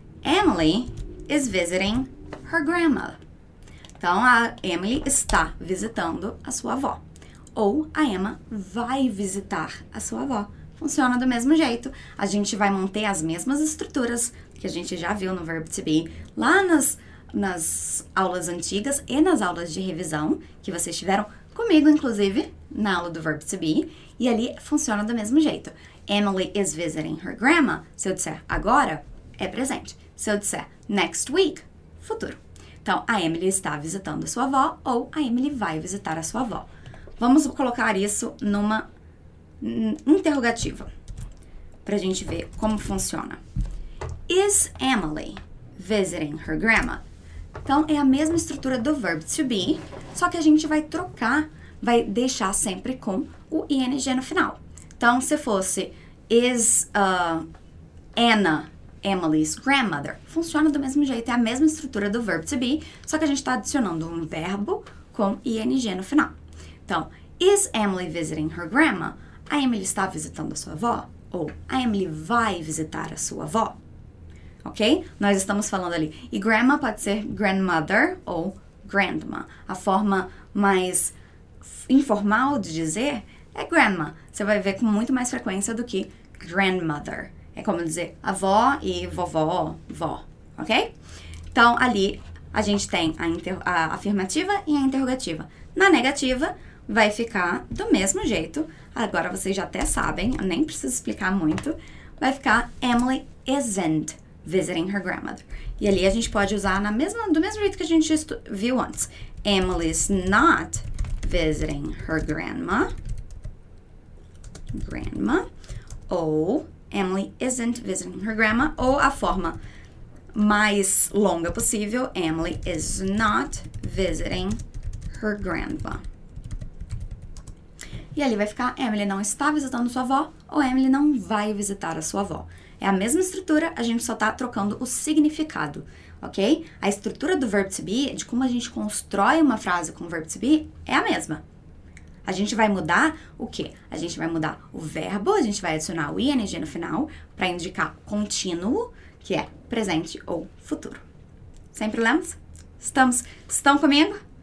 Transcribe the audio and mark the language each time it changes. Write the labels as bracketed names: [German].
[English] Emily is visiting her grandma. [Portuguese] Então, a Emily está visitando a sua avó. Ou a Emma vai visitar a sua avó. Funciona do mesmo jeito. A gente vai manter as mesmas estruturas que a gente já viu no verbo to be lá nas aulas antigas e nas aulas de revisão que vocês tiveram comigo, inclusive, na aula do verbo to be. E ali funciona do mesmo jeito. [English] Emily is visiting her grandma. [Portuguese] Se eu disser agora, é presente. Se eu disser [English] next week, [Portuguese] futuro. Então, a Emily está visitando a sua avó ou a Emily vai visitar a sua avó. Vamos colocar isso numa interrogativa para a gente ver como funciona. [English] Is Emily visiting her grandma? [Portuguese] Então, é a mesma estrutura do verbo to be, só que a gente vai trocar, vai deixar sempre com o ing no final. Então, se fosse [English] Is Anna Emily's grandmother? [Portuguese] Funciona do mesmo jeito, é a mesma estrutura do verbo to be, só que a gente está adicionando um verbo com ing no final. Então, [English] Is Emily visiting her grandma? [Portuguese] A Emily está visitando a sua avó? Ou a Emily vai visitar a sua avó? Ok? Nós estamos falando ali. E grandma pode ser grandmother ou grandma. A forma mais informal de dizer é grandma. Você vai ver com muito mais frequência do que grandmother. É como dizer avó e vovó, vó. Ok? Então, ali a gente tem a afirmativa e a interrogativa. Na negativa, vai ficar do mesmo jeito. Agora vocês já até sabem, eu nem preciso explicar muito. Vai ficar [English] Emily isn't visiting her grandmother. [Portuguese] E ali a gente pode usar do mesmo jeito que a gente viu antes. [English] Emily's not visiting her grandma. Grandma. [Portuguese] Ou [English] Emily isn't visiting her grandma. [Portuguese] Ou a forma mais longa possível. [English] Emily is not visiting her grandma. [Portuguese] E ali vai ficar: Emily não está visitando sua avó ou Emily não vai visitar a sua avó. É a mesma estrutura, a gente só está trocando o significado, ok? A estrutura do verbo to be, de como a gente constrói uma frase com o verbo to be, é a mesma. A gente vai mudar o quê? A gente vai mudar o verbo, a gente vai adicionar o ing no final para indicar contínuo, que é presente ou futuro. Sem problemas? Estão comigo?